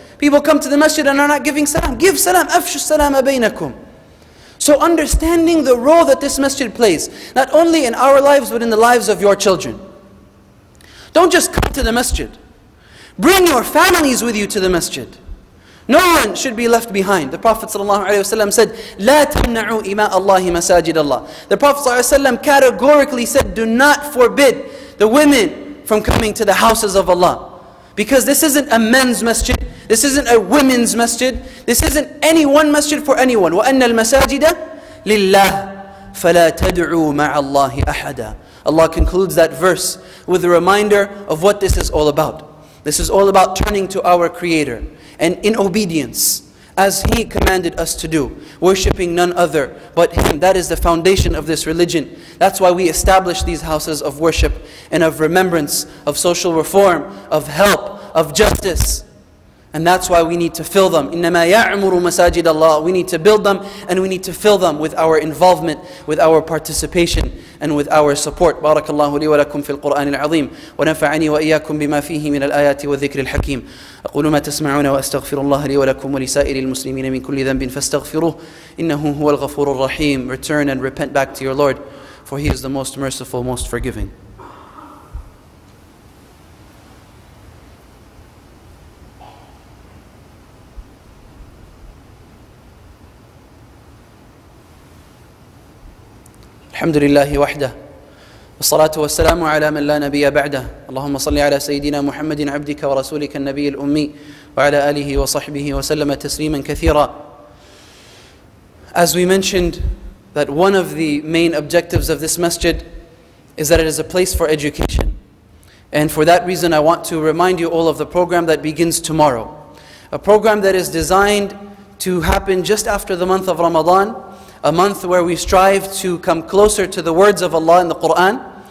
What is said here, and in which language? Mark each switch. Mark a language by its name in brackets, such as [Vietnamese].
[English] People come to the masjid and are not giving salam. Give salam. [Arabic] أَفْشُ السَّلَامَ بَيْنَكُمْ. [English] So understanding the role that this masjid plays, not only in our lives, but in the lives of your children. Don't just come to the masjid. Bring your families with you to the masjid. No one should be left behind. The Prophet ﷺ said, [Arabic] لَا تَمْنَعُوا إِمَاءَ اللَّهِ مَسَاجِدَ اللَّهِ. [English] The Prophet ﷺ categorically said, do not forbid the women from coming to the houses of Allah. Because this isn't a men's masjid. This isn't a women's masjid. This isn't any one masjid for anyone. [Arabic] وَأَنَّ الْمَسَاجِدَ لِلَّهِ فَلَا تَدْعُوا مَعَ اللَّهِ أَحَدًا. [English] Allah concludes that verse with a reminder of what this is all about. This is all about turning to our Creator and in obedience, as He commanded us to do, worshipping none other but Him. That is the foundation of this religion. That's why we establish these houses of worship and of remembrance, of social reform, of help, of justice. And that's why we need to fill them. [Arabic] إِنَّمَا يَعْمُرُ مَسَاجِدَ اللَّهِ. [English] We need to build them and we need to fill them with our involvement, with our participation, and with our support. [Arabic] بارك الله لي ولكم في القرآن العظيم ونفعني وإياكم بما فيه من الآيات والذكر الحكيم. أقول ما تسمعون وأستغفر الله لي ولكم ولسائر المسلمين من كل ذنب فاستغفروه إنه هو الغفور الرحيم. [English] Return and repent back to your Lord, for He is the most merciful, most forgiving. [Arabic] الحمد لله وحده والصلاة والسلام على من لا نبي بعده. اللهم صل على سيدنا محمد عبدك ورسولك النبي الأمي وعلى آله وصحبه وسلم تسليما كثيرا. [English] As we mentioned, that one of the main objectives of this masjid is that it is a place for education. And for that reason, I want to remind you all of the program that begins tomorrow. A program that is designed to happen just after the month of Ramadan, a month where we strive to come closer to the words of Allah in the Qur'an.